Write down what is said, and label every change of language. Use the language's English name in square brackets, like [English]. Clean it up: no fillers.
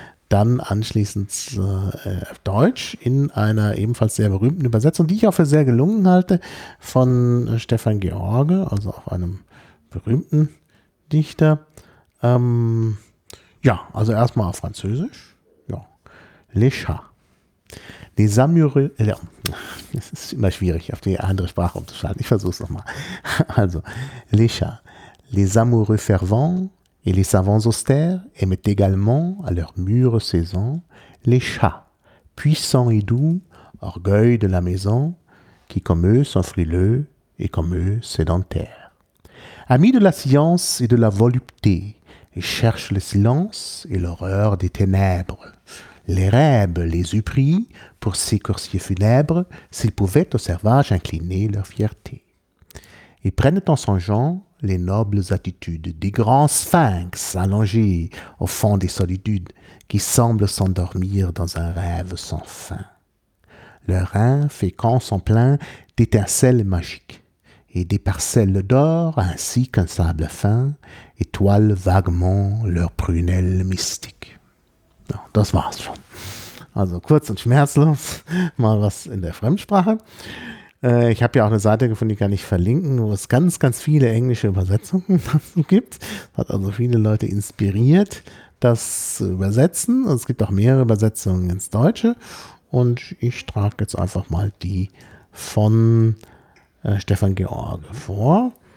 [German] dann anschließend auf Deutsch in einer ebenfalls sehr berühmten Übersetzung, die ich auch für sehr gelungen halte, von Stefan George, also auch einem berühmten Dichter. Ja, also erstmal auf Französisch. Ja. Les Chats. Les Amoureux. Es ist immer schwierig, auf die andere Sprache umzuschalten. Ich versuche es nochmal. Also, Les Chats. [French] Les Amoureux fervents et les savants austères aimaient également à leur mûre saison les chats, puissants et doux, orgueil de la maison, qui comme eux sont frileux et comme eux sédentaires. Amis de la science et de la volupté, ils cherchent le silence et l'horreur des ténèbres. Les rêves les eût pris pour ces coursiers funèbres s'ils pouvaient aux servages incliner leur fierté. Ils prennent en songeant les nobles attitudes des grands sphinx allongés au fond des solitudes qui semblent s'endormir dans un rêve sans fin. Leurs reins féconds sont pleins d'étincelles magiques et des parcelles d'or ainsi qu'un sable fin étoilent vaguement leurs prunelles mystiques. [German] Das war's schon. Also kurz und schmerzlos, mal was in der Fremdsprache. Ich habe ja auch eine Seite gefunden, die kann ich verlinken, wo es ganz, ganz viele englische Übersetzungen dazu gibt. Hat also viele Leute inspiriert, das zu übersetzen. Es gibt auch mehrere Übersetzungen ins Deutsche. Und ich trage jetzt einfach mal die von Stefan George vor.